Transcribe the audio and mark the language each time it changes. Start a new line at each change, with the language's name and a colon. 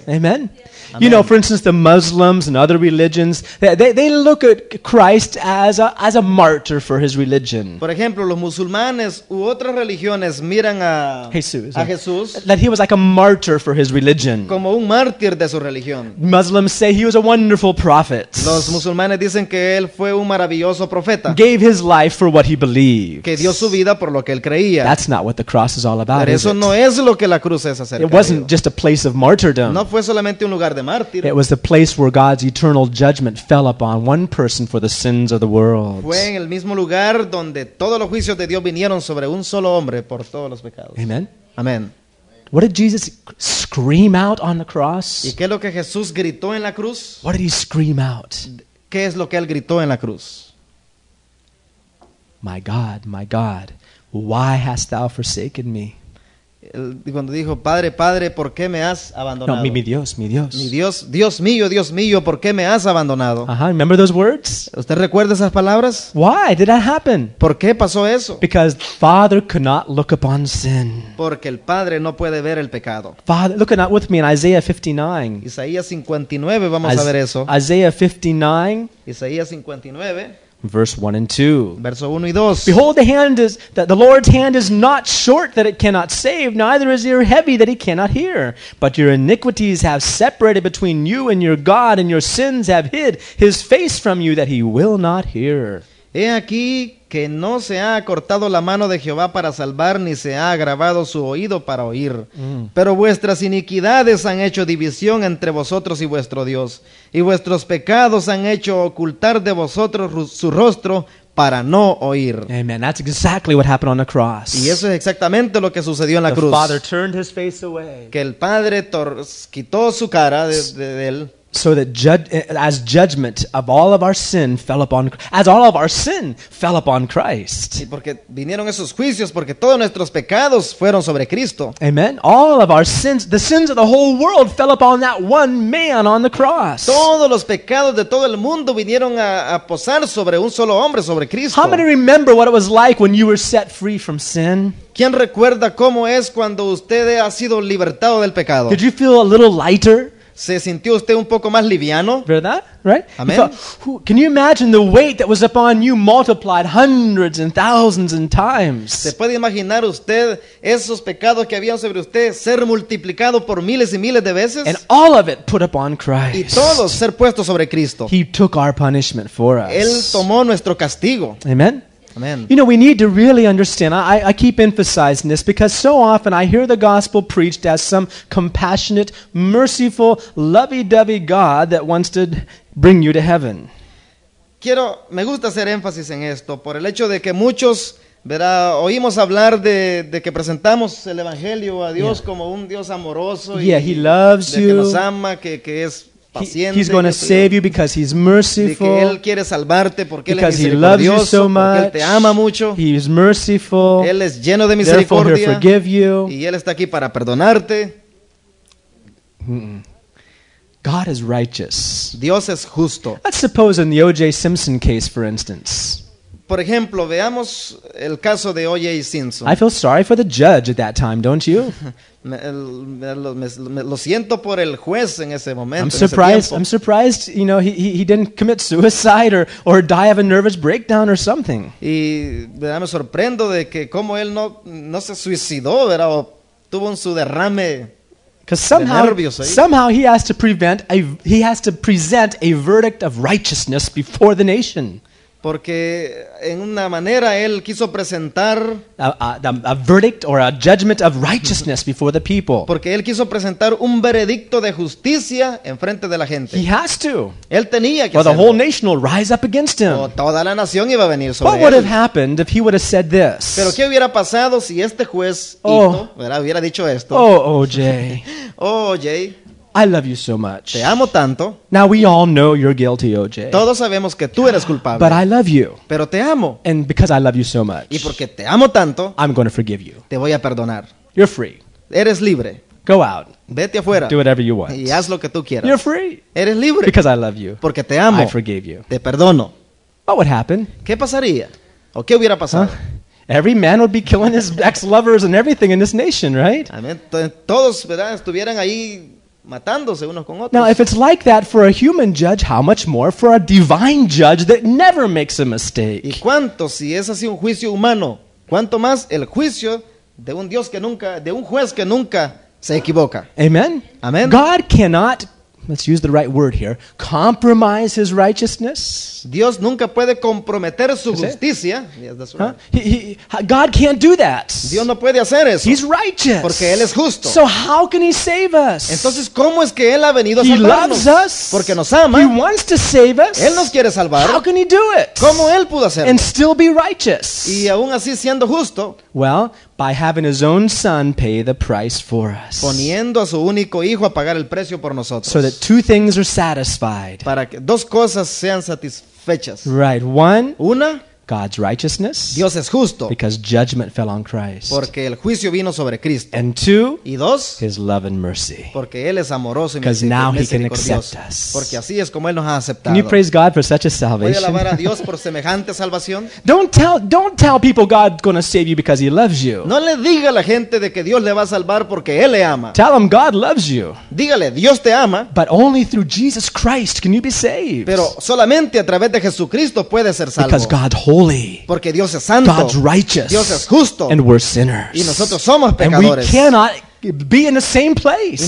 English: Amen. Yeah. You know, for instance, the Muslims and other religions, they look at Christ as a martyr for his religion.
Spanish: Por ejemplo, los musulmanes u otras religiones miran a Jesús,
English: that he was like a martyr for his religion.
Spanish: Como un mártir de su religión.
English: Muslims say he was a wonderful prophet.
Spanish: Los musulmanes dicen que él fue un maravilloso profeta.
English: Gave his life for what he believed.
Spanish: Que dio su vida por lo que él creía.
English: That's not what the cross is all about.
Spanish: Pero eso no es lo que la cruz es acerca.
English: It wasn't just a place of martyrdom.
Spanish: No fue solamente un lugar de mártir.
English: It was the place where God's eternal judgment fell upon one person for the sins of the world.
Spanish: Fue en el mismo lugar donde todos los juicios de Dios vinieron sobre un solo hombre por todos los pecados.
English: Amen. Amen. What did Jesus scream out on the cross?
Spanish: ¿Y qué es lo que Jesús gritó en la cruz?
English: What did he scream out?
Spanish: ¿Qué es lo que él gritó en la cruz?
English: My God, why hast thou forsaken me?
Spanish: Cuando dijo, Padre, Padre, ¿por qué me has abandonado? No, mi Dios, mi Dios. Mi Dios, Dios mío, ¿por qué me has abandonado?
English: Uh-huh. Remember those words?
Spanish: ¿Usted recuerda esas palabras?
English: Why did that happen?
Spanish: ¿Por qué pasó eso?
English: Because Father could not look upon sin.
Spanish: Porque el Padre no puede ver el pecado.
English: Father, look at with me in Isaiah 59.
Spanish: Isaías 59, vamos a ver eso.
English: Isaiah 59.
Spanish: Isaías 59.
English: Verse 1 and 2.
Spanish: Verso 1 y 2.
English: Behold, the Lord's hand is not short that it cannot save, neither is ear heavy that he cannot hear. But your iniquities have separated between you and your God, and your sins have hid his face from you that he will not hear.
Spanish: He aquí que no se ha acortado la mano de Jehová para salvar, ni se ha agravado su oído para oír. Pero vuestras iniquidades han hecho división entre vosotros y vuestro Dios, y vuestros pecados han hecho ocultar de vosotros su rostro para no oír.
English: Amen. That's exactly what happened on the cross.
Spanish: Y eso es exactamente lo que sucedió en la cruz.
English: The Father turned his face away.
Spanish: Que el Padre quitó su cara de él.
English: so that as judgment of all of our sin fell upon Christ.
Spanish: Y porque vinieron esos juicios porque todos nuestros pecados fueron sobre Cristo.
English: Amen. All of our sins, the sins of the whole world fell upon that one man on the cross.
Spanish: Todos los pecados de todo el mundo vinieron a posar sobre un solo hombre, sobre Cristo.
English: How many remember what it was like when you were set free from sin?
Spanish: ¿Quién recuerda cómo es cuando usted ha sido libertado del pecado?
English: Did you feel a little lighter?
Spanish: ¿Se sintió usted un poco más liviano? ¿Verdad?
English: Right? Amen. Can you imagine the weight that was upon you multiplied hundreds and thousands and times?
Spanish: ¿Se puede imaginar usted esos pecados que habían sobre usted ser multiplicado por miles y miles de veces?
English: And all of it put upon Christ.
Spanish: Y todo ser puesto sobre Cristo.
English: He took our punishment for us.
Spanish: Él tomó nuestro castigo.
English: Amen. You know, we need to really understand. I keep emphasizing this because so often I hear the gospel preached as some compassionate, merciful, lovey-dovey God that wants to bring you to heaven.
Spanish: Quiero, me gusta hacer énfasis en esto por el hecho de que muchos, verá, oímos hablar de que presentamos el evangelio a Dios como un Dios amoroso.
English: Yeah, He loves you.
Spanish: De que nos ama, que es
English: He's going to save you because He's merciful.
Spanish: De que él quiere salvarte porque
English: because
Spanish: él es
English: He loves you so much.
Spanish: Él te ama mucho.
English: He is merciful.
Spanish: Él es lleno de misericordia.
English: Therefore, He'll forgive you.
Spanish: Y él está aquí para perdonarte.
English: God is righteous.
Spanish: Dios es justo.
English: Let's suppose in the O.J. Simpson case, for instance.
Spanish: Por ejemplo, veamos el caso de O.J. Simpson.
English: I feel sorry for the judge at that time, don't you?
Spanish: Lo siento por el juez en ese momento.
English: I'm surprised, you know, he didn't commit suicide or die of a nervous breakdown or something.
Spanish: Y me sorprendo de que como él no se suicidó, ¿verdad? O tuvo un su derrame.
English: Because somehow he has to present a verdict of righteousness before the nation.
Spanish: Porque en una manera él quiso presentar
English: a verdict or a judgment of righteousness before the people.
Spanish: Porque él quiso presentar un veredicto de justicia en frente de la gente.
English: He has to.
Spanish: Él tenía que hacerlo.
English: Or the whole nation will rise up against him.
Spanish: O toda la nación iba a venir sobre él.
English: What would have happened if he would have said this?
Spanish: Pero qué hubiera pasado si este juez hubiera dicho esto.
English: Oh, OJ.
Spanish: Oh, OJ.
English: I love you so much.
Spanish: Te amo tanto.
English: Now we all know you're guilty, OJ.
Spanish: Todos sabemos que tú eres culpable.
English: But I love you.
Spanish: Pero te amo.
English: And because I love you so much.
Spanish: Y porque te amo tanto.
English: I'm going to forgive you.
Spanish: Te voy a perdonar.
English: You're free.
Spanish: Eres libre.
English: Go out.
Spanish: Vete afuera.
English: Do whatever you want.
Spanish: Y haz lo que tú quieras.
English: You're free.
Spanish: Eres libre.
English: Because I love you.
Spanish: Porque te amo.
English: I forgive you.
Spanish: Te perdono.
English: What would happen?
Spanish: ¿Qué pasaría? ¿O qué hubiera pasado? Huh?
English: Every man would be killing his ex-lovers and everything in this nation, right?
Spanish: Amén. Todos, ¿verdad? Estuvieran ahí matándose unos con otros.
English: Now, if it's like that for a human judge, how much more for a divine judge that never makes a mistake?
Spanish: ¿Y cuánto si es así un juicio humano? ¿Cuánto más el juicio de un Dios que nunca, de un juez que nunca se equivoca?
English: Amen. Amen. God cannot, let's use the right word here, compromise His righteousness.
Spanish: Dios nunca puede comprometer su justicia.
English: Yes, that's right. God can't do that.
Spanish: Dios no puede hacer eso.
English: He's righteous.
Spanish: Porque Él es justo.
English: So how can He save us?
Spanish: Entonces, ¿cómo es que Él ha venido a salvarnos?
English: He loves us.
Spanish: Porque nos ama.
English: He wants to save us.
Spanish: Él nos quiere salvar.
English: How can He do it?
Spanish: ¿Cómo Él pudo hacerlo?
English: And still be righteous.
Spanish: Y aún así siendo justo.
English: Well, by having His own Son pay the price for us.
Spanish: Poniendo a su único hijo a pagar el precio por nosotros.
English: So that two things are satisfied.
Spanish: Para que dos cosas sean satisfechas.
English: Right. One.
Spanish: Una.
English: God's righteousness.
Spanish: Dios es justo.
English: Because judgment fell on Christ.
Spanish: Porque el juicio vino sobre Cristo.
English: And two.
Spanish: Y dos.
English: His love and mercy.
Spanish: Porque él es amoroso y misericordioso.
English: Because now He can accept us.
Spanish: Porque así es como él nos ha aceptado.
English: Can you praise God for such a salvation?
Spanish: ¿Voy a alabar a Dios por semejante salvación?
English: Don't tell people God's going to save you because He loves you.
Spanish: No le diga a la gente de que Dios le va a salvar porque él le ama.
English: Tell them God loves you.
Spanish: Dígale, Dios te ama.
English: But only through Jesus Christ can you be saved.
Spanish: Pero solamente a través de Jesucristo puede ser salvo.
English: Because God holds.
Spanish: Porque Dios es santo.
English: God's righteous.
Spanish: Dios es justo.
English: And we're sinners.
Spanish: Y nosotros somos pecadores.
English: And we cannot be in the same place.